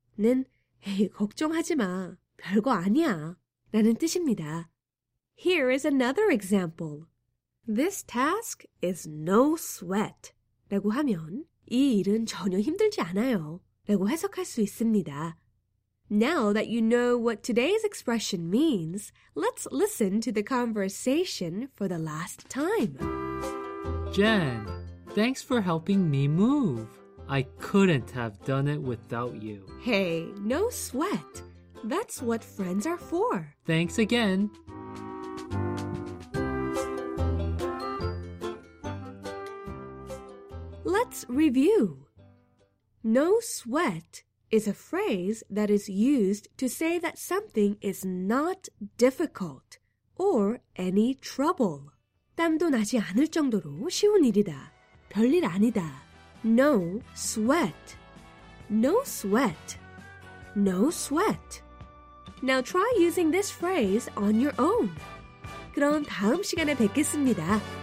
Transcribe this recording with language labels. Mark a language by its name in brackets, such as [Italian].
[Korean] 는 에이, 걱정하지 마. 별거 아니야. 라는 뜻입니다. [English] Here is another example. This task is no sweat. [Korean] 라고 하면 이 일은 전혀 힘들지 않아요 라고 해석할 수 있습니다. [English] Now that you know what today's expression means, let's listen to the conversation for the last time. Jen, thanks for helping me move. I couldn't have done it without you. Hey, no sweat. That's what friends are for. Thanks again. review. No sweat is a phrase that is used to say that something is not difficult or any trouble. [Korean] 땀도 나지 않을 정도로 쉬운 일이다. 별일 아니다. [English] No sweat. No sweat. No sweat. Now try using this phrase on your own. [Korean] 그럼 다음 시간에 뵙겠습니다.